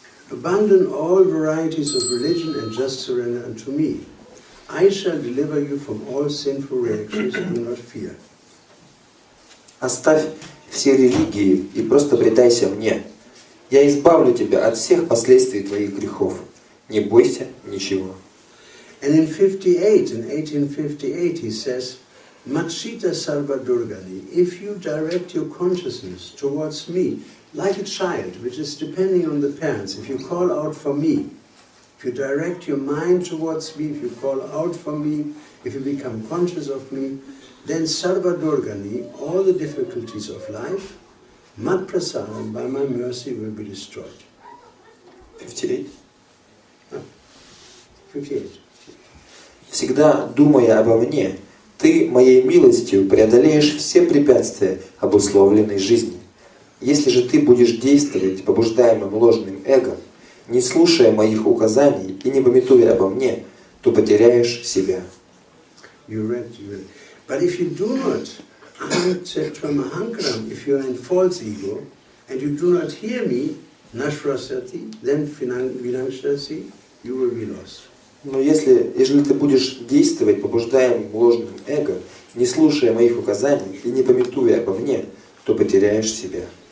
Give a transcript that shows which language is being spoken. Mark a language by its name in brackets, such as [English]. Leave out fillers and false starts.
[English] Abandon all varieties of religion and just surrender unto me. I shall deliver you from all sinful reactions and not fear. [Russian] Оставь все религии и просто предайся мне. Я избавлю тебя от всех последствий твоих грехов. Не бойся ничего. [English] And in 58, in 1858, he says, [Sanskrit] Matsita Sarva Durgani, [English] if you direct your consciousness towards me, like a child which is depending on the parents, if you call out for me, if you direct your mind towards me, if you call out for me, if you become conscious of me, then Sarva Durgani, all the difficulties of life, [Sanskrit] Mat Prasadam, [English] by my mercy, will be destroyed. 58. [Russian] Всегда думая обо мне, ты моей милостью преодолеешь все препятствия обусловленной жизни. Если же ты будешь действовать побуждаемым ложным эго, не слушая моих указаний и не памятуя обо мне, то потеряешь себя. [English] You read. But if you do not answer to Mahankaram, if you are in false ego, and you do not hear me, Nashrasati, then Vinashrasati, you will be lost. [Russian] Но если ты будешь действовать побуждаемым ложным эго, не слушая моих указаний и не памятуя обо мне, то потеряешь себя.